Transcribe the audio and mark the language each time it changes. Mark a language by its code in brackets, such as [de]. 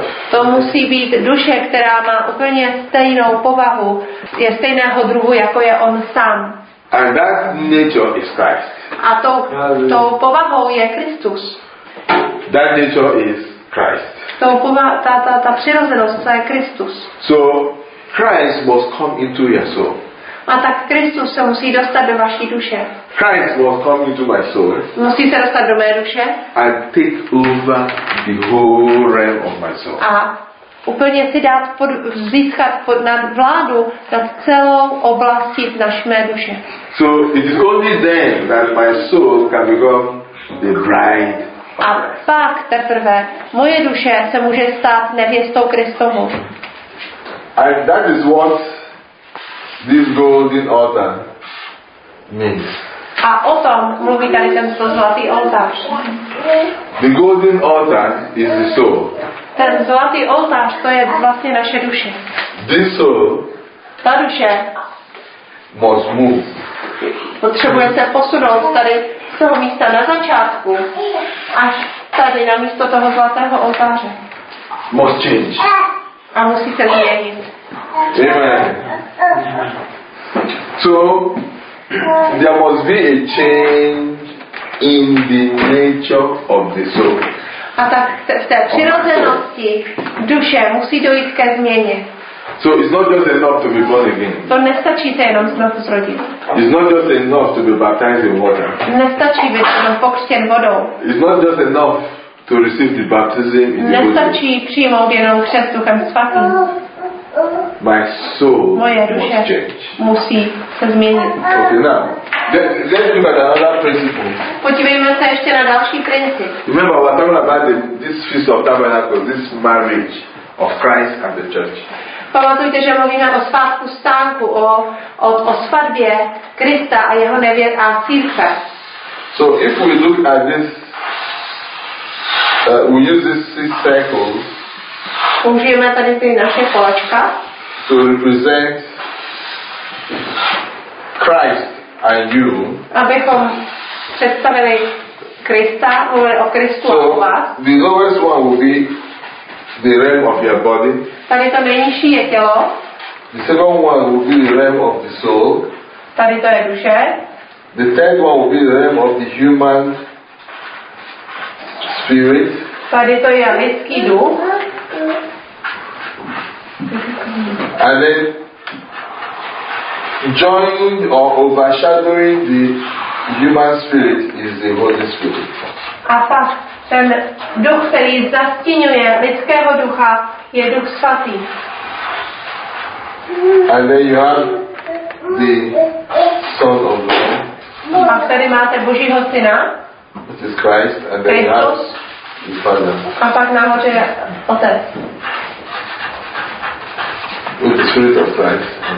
[cs] To musí být duše, která má úplně stejnou povahu, je stejného druhu, jako je on sám. [en] And that nature is Christ. [cs] A tou povahou je Kristus. [en] That nature is Christ. [cs] Ta přirozenost, to je Kristus. [en] So Christ must come into your soul. [cs] A tak Kristus se musí dostat do vaší duše. [en] Christ will come into my soul. [cs] Musí se dostat do mé duše. [en] And take over the whole realm of my soul. [cs] A úplně si dát získat pod nad vládu nad celou oblastí naší mé duše. [en] So it is only then that my soul can become the bride. [cs] A pak teprve moje duše se může stát nevěstou Kristovou. [en] And that is what this golden altar means. [cs] A o tom mluví tady tento zlatý oltář. [en] The golden altar is the soul. [cs] Ten zlatý oltář, to je vlastně naše duše. [en] This soul. [cs] Ta duše. [en] Must move. [cs] Potřebuje se posunout tady z toho místa na začátku až tady na místo toho zlatého oltáře. [en] Must change. [cs] A musí se změnit. Amen. [en] So there must be a change in the nature of the soul. [cs] A tak v té přirozenosti duše musí dojít ke změně. [en] So it's not just enough to be born again. [cs] To nestačí se jenom znovu zrodit. [en] It's not just enough to be baptized in water. [cs] Nestačí být jenom pokřtěn vodou. [en] It's not just enough to receive the baptism in the [cs] nestačí přijmout jenom křest Duchem Svatým. [en] My soul [cs] moje duše [en] must change. [cs] Musí se změnit. [en] Okay, now, let's look at another principle. [cs] Podívejme se ještě na další princip. [en] Remember, we're talking about this feast of tabernacles, this marriage of Christ and the church. [cs] Pamatujte, že mluvíme o svátku stánku, o svatbě Krista a jeho nevěst a církve. [en] So if we look at this, we use this circle. [cs] Použijeme tady ty naše kolečka. [en] To represent Christ and you. [cs] Abychom představili Krista, mluvili o Kristu [en] so, [cs] a o vás. [en] The lowest one will be the realm of your body. [cs] Tady to nejnižší je tělo. [en] The second one will be the realm of the soul. [cs] Tady to je duše. [en] The third one will be the realm of the human spirit. [cs] Tady to je lidský duch. [en] And then joining or overshadowing the human spirit is the Holy Spirit. [cs] A pak ten duch, který zastínuje lidského ducha, je Duch Svatý. [en] And then you have the Son of God. [cs] A tady máte Božího Syna. [en] It is Christ, and then [cs] Christus. [en] You have the Father. [cs] A pak nahoře je Otec. [en] With the Spirit of Christ.